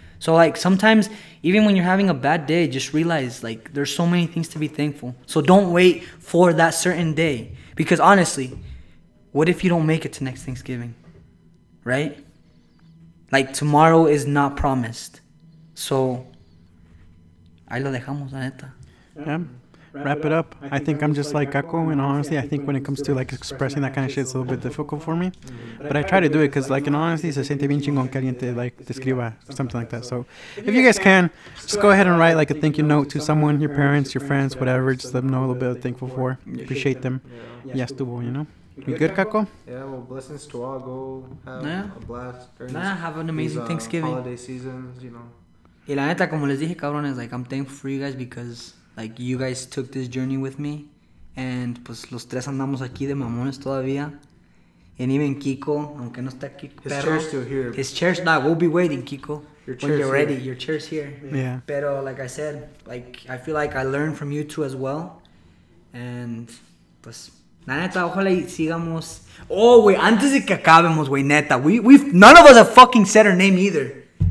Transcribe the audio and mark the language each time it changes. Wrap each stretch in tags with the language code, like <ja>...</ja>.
<en>So, like, sometimes, even when you're having a bad day, just realize, like, there's so many things to be thankful. So don't wait for that certain day. Because, honestly, what if you don't make it to next Thanksgiving? Right? Like, tomorrow is not promised.</en> <es>So, ahí lo dejamos, la neta.</es> <en>Yeah. Wrap it up. I think I'm just like Gakko, and honestly, I think when it comes to like expressing that kind of shit, it's a little bit difficult for me. But I try to do it because, like, in honesty,</en> <es>se siente bien chingón caliente,</es> <en>like, describa, something like that. So, if you guys can, just go ahead and write like a thank you note to someone, your parents, your friends, whatever. Just let them know a little bit of thankful for. Appreciate them. Yes, tuvo, you know? You good, Gakko? Yeah, well, blessings to all. Go have a blast. Nah, have an amazing Thanksgiving. Holiday seasons, you know.</en> <es>Y la neta, como les dije, cabrón,</es> <en>is like, I'm thankful for you guys because. Like, you guys took this journey with me.</en> <es>And, pues, los tres andamos aquí de mamones todavía.</es> <en>And even Kiko,</en> <es>aunque no está aquí,</es> <en>his perro, chair's still here. His chair's not. We'll be waiting, Kiko. Your chair's when you're here. Ready. Your chair's here. Yeah. Pero, like I said, like, I feel like I learned from you two as well.</en> <es>And, pues, la neta, ojalá y sigamos. Oh, güey, antes de que acabemos, güey, neta.</es> <en>None of us have fucking said her name either.</en>